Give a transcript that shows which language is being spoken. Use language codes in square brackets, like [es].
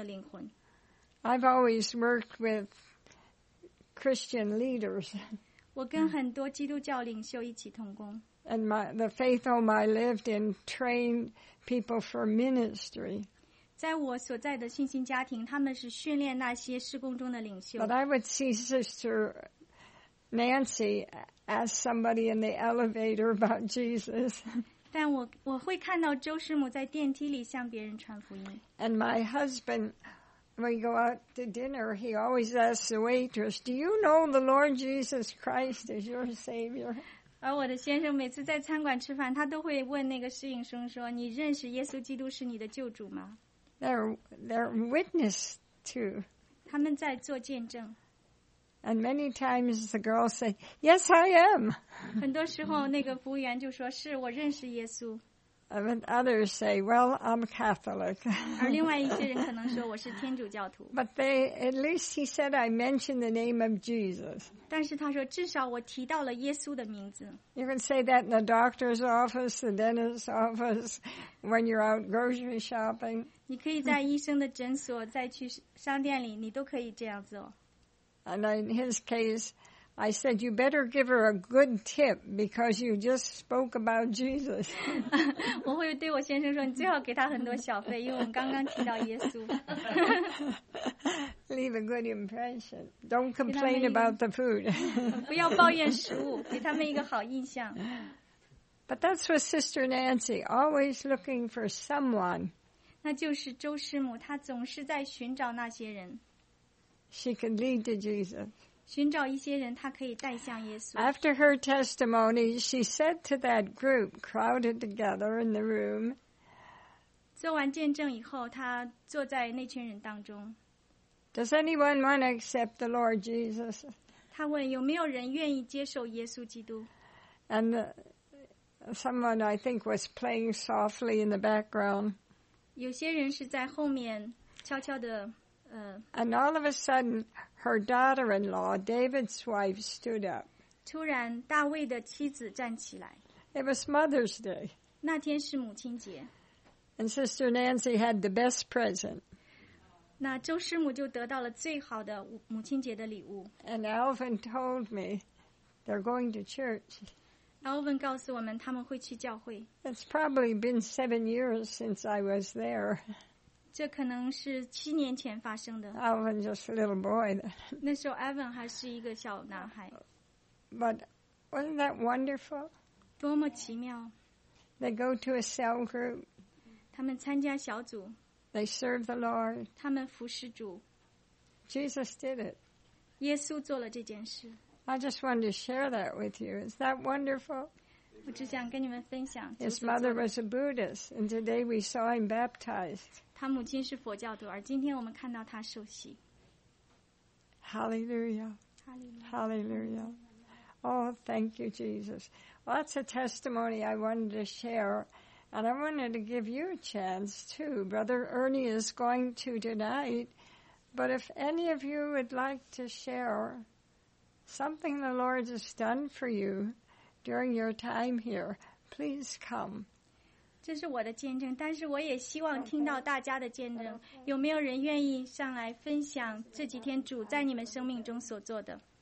[zh] 他们心里关怀那些失丧的灵魂。 [en] I've always worked with Christian leaders. [zh] 我跟很多基督教领袖一起同工。 [en] And the faith home I lived in trained people for ministry. [zh] 在我所在的信心家庭，他们是训练那些事工中的领袖。 [en] But I would see Sister Nancy asked somebody in the elevator about Jesus. [zh] 但我会看到周师母在电梯里向别人传福音。 [en] And my husband we go out to dinner, he always asks the waitress, do you know the Lord Jesus Christ is your Savior? [zh] 而我的先生每次在餐馆吃饭，他都会问那个侍应生说，你认识耶稣基督是你的救主吗？ [en] They're witness to. [zh] 他们在做见证。 [en] And many times the girl say, yes, I am. [zh] 很多时候那个服务员就说，是，我认识耶稣。 [en] And others say, well, I'm Catholic. [zh] 而另外一些人可能说，我是天主教徒。 [en] But they, at least he said, I mentioned the name of Jesus. [zh] 但是他说，至少我提到了耶稣的名字。 [en] You can say that in the doctor's office, the dentist's office, when you're out grocery shopping. [zh] 你可以在医生的诊所，再去商店里，你都可以这样做。 [en] And in his case, I said, you better give her a good tip because you just spoke about Jesus. [zh] 我会对我先生说，你最好给他很多小费，因为我们刚刚提到耶稣。 [en] Leave a good impression. Don't complain about the food. [zh] 不要抱怨食物，给他们一个好印象。 [en] But that's what Sister Nancy, always looking for someone. [zh] 那就是周师母，她总是在寻找那些人。 [en] She can lead to Jesus. [zh] 寻找一些人，她可以带向耶稣。 [en] After her testimony, she said to that group crowded together in the room. [zh] 做完见证以后，她坐在那群人当中。 [en] Does anyone want to accept the Lord Jesus? [zh] 她问有没有人愿意接受耶稣基督。 [en] And someone I think was playing softly in the background. [zh] 有些人是在后面悄悄的。 [en] And all of a sudden, her daughter-in-law, David's wife, stood up. [zh] 突然，大卫的妻子站起来。 [en] It was Mother's Day. [zh] 那天是母亲节。 [en] And Sister Nancy had the best present. [zh] 那周师母就得到了最好的母亲节的礼物。 [en] And Alvin told me they're going to church. [zh] Alvin 告诉我们他们会去教会。 [en] It's probably been 7 years since I was there. [zh] 这可能是七年前发生的。 [en] Alvin just a little boy. [zh] 那时候 Alvin 还是一个小男孩。 [en] But wasn't that wonderful? [zh] 多么奇妙。 [en] They go to a cell group. [zh] 他们参加小组。 [en] They serve the Lord. [zh] 他们服侍主。 [en] Jesus did it. [zh] 耶稣做了这件事。 [en] I just wanted to share that with you. Is that wonderful? [zh] 我只想跟你们分享。 [en] His mother was a Buddhist, and today we saw him baptized. [zh] 他母亲是佛教徒，而今天我们看到他受洗。 [en] Hallelujah. Hallelujah. Hallelujah. Oh, thank you, Jesus. Well, that's a testimony I wanted to share. And I wanted to give you a chance, too. Brother Ernie is going to tonight. But if any of you would like to share something the Lord has done for you during your time here, please come. [zh] 这是我的见证，但是我也希望听到大家的见证。有没有人愿意上来分享这几天主在你们生命中所做的？